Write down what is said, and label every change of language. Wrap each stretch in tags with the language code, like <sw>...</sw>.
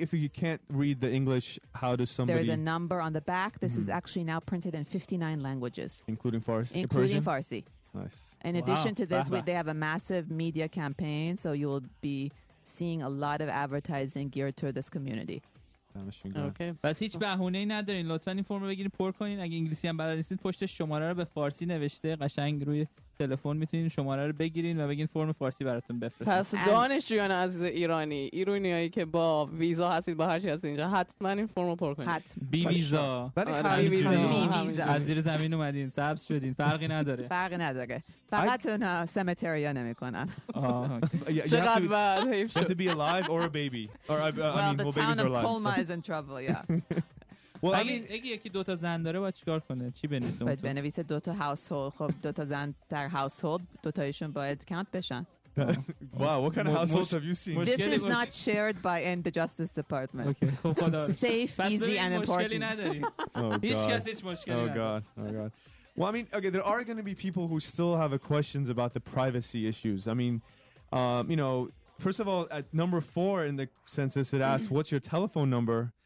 <en>If you can't read the English, how does somebody? There is a number on the back. This is actually now printed in 59 languages, including Farsi, including Farsi. Nice. In addition to this, they have a massive media campaign, so you will be seeing a lot of advertising geared to this community.</en> <fa>Okay. بس هیچ بهونه‌ای ندارین. لطفاً این فرم رو بگیرید، پر کنین. اگه انگلیسی هم بلد نیستید، پشت شماره رو به فارسی نوشته قشنگ روی تلفن میتونین شماره رو بگیرین و بگین فرم فارسی براتون بفرستن. پس دانشجویان عزیز ایرانی، ایرانیایی که با ویزا هستید، با هر چی هستید اینجا، حتما این فرم رو پر کنین. حتما. بی ویزا. ولی ویزا از زیر زمین اومدین، سبز شدین، فرقی نداره. فرقی نداره. فقط اونا سمیتریا نمی‌کنن. چقدر بد.</fa> <en>Have to be alive or a baby. Or babies are alive. Well, the town of Colma is in trouble, yeah.</en> <fa>Well, اگه یکی دو تا زن داره باید چیکار کنه؟ چی بنویسه؟ باید بنویسه دو تا هاوسهولد. خب دو تا زن در هاوسهولد، دو تایشون باید کانت بشن.</fa> <en>Wow, what kind of households have you seen? This is not shared by in the Justice Department. Okay. Safe, easy and important. Oh god. Well, I mean, okay, there are going to be people who still have questions about the privacy issues. I mean, you know, first of all, at number 4 in the census it asks what's your telephone number?</en>